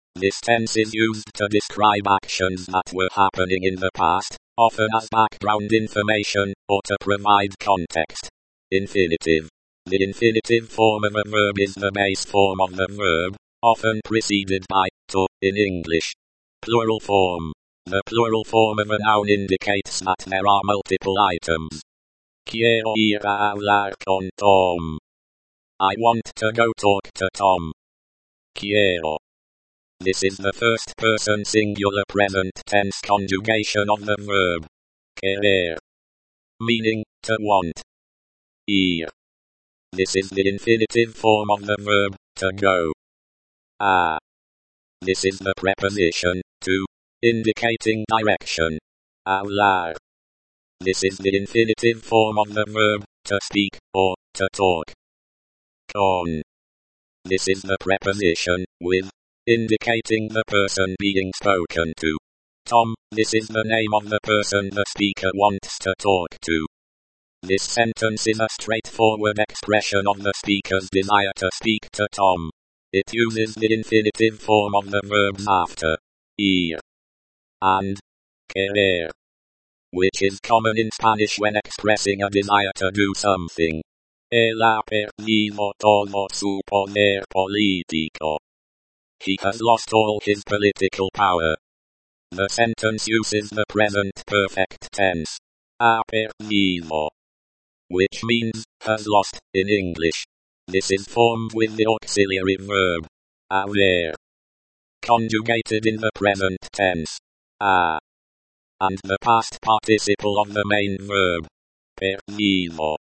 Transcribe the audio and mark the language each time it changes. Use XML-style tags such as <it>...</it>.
<en>This tense is used to describe actions that were happening in the past, often as background information, or to provide context. Infinitive. The infinitive form of a verb is the base form of the verb, often preceded by to in English. Plural form. The plural form of a noun indicates that there are multiple items.</en> <es>Quiero ir a hablar con Tom.</es> <en>I want to go talk to Tom. Quiero. This is the first person singular present tense conjugation of the verb. Querer. Meaning, to want. Ir. This is the infinitive form of the verb, to go. A. This is the preposition, to, indicating direction. Hablar. This is the infinitive form of the verb, to speak, or, to talk. Con. This is the preposition, with, indicating the person being spoken to. Tom, this is the name of the person the speaker wants to talk to. This sentence is a straightforward expression of the speaker's desire to speak to Tom. It uses the infinitive form of the verbs after ir and querer, which is common in Spanish when expressing a desire to do something.</en> <es>El ha perdido todo su poder político.</es> <en>He has lost all his political power. The sentence uses the present perfect tense. Ha perdido. Which means, has lost, in English. This is formed with the auxiliary verb, haber, conjugated in the present tense, a, and the past participle of the main verb, perdido.</en>